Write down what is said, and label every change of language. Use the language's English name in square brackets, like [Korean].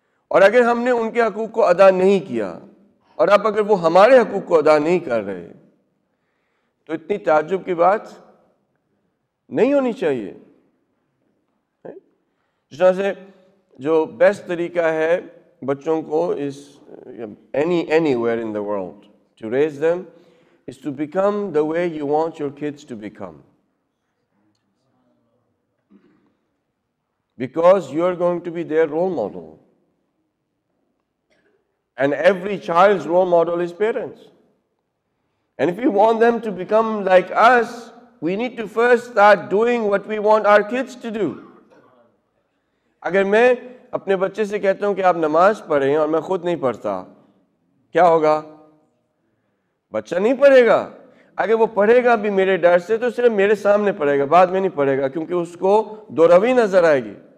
[Urdu] اور اگر ہم نے ان کے حقوق کو ادا نہیں کیا اور اب اگر وہ ہمارے حقوق کو ادا نہیں کر رہے تو اتنی تعجب کی بات نہیں ہونی چاہیے جس طرح سے جو بیسٹ طریقہ ہے بچوں کو [English] is anywhere in the world to raise them is to become the way you want your kids to become. Because you are going to be their role model. And every child's role model is parents. And if you want them to become like us, we need to first start doing what we want our kids to do. [Urdu] اگر میں اپنے بچے سے کہتا ہوں کہ آپ نماز پڑھیں اور میں خود نہیں پڑھتا کیا ہوگا بچہ نہیں پڑھے گا اگر وہ پڑھے گا بھی میرے ڈر سے تو صرف میرے سامنے پڑھے گا بعد میں نہیں پڑھے گا کیونکہ اس کو دو روی نظر آئے گی